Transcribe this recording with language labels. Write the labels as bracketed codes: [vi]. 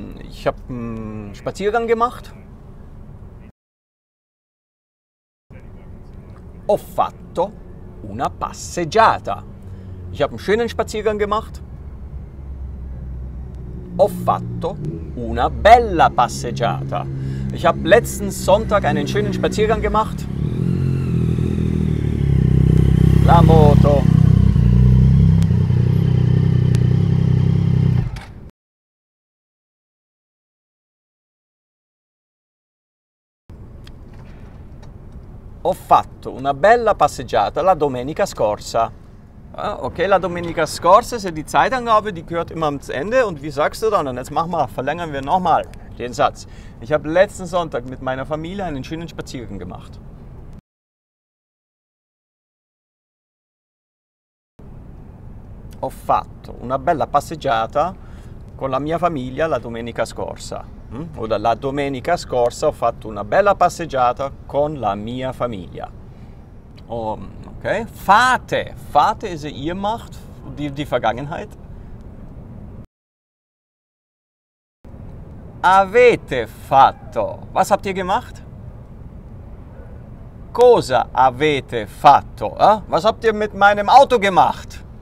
[de] Ich habe einen Spaziergang gemacht. [it] Ho fatto una passeggiata. [de] Ich habe einen schönen Spaziergang gemacht. [it] Ho fatto una bella passeggiata. [de] Ich habe letzten Sonntag einen schönen Spaziergang gemacht. [it] La moto. Ho fatto una bella passeggiata la domenica scorsa. [de] Okay, la domenica scorsa ist ja die Zeitangabe, die gehört immer ans Ende. Und wie sagst du dann? Und jetzt machen wir, verlängern wir nochmal den Satz. Ich habe letzten Sonntag mit meiner Familie einen schönen Spaziergang gemacht. [it] Ho fatto una bella passeggiata con la mia famiglia la domenica scorsa. Oder la domenica scorsa ho fatto una bella passeggiata con la mia famiglia. Okay. Fate. [de] Fate ist ihr macht, die Vergangenheit. Avete fatto. Was habt ihr gemacht? Cosa avete fatto? Was habt ihr mit meinem Auto gemacht?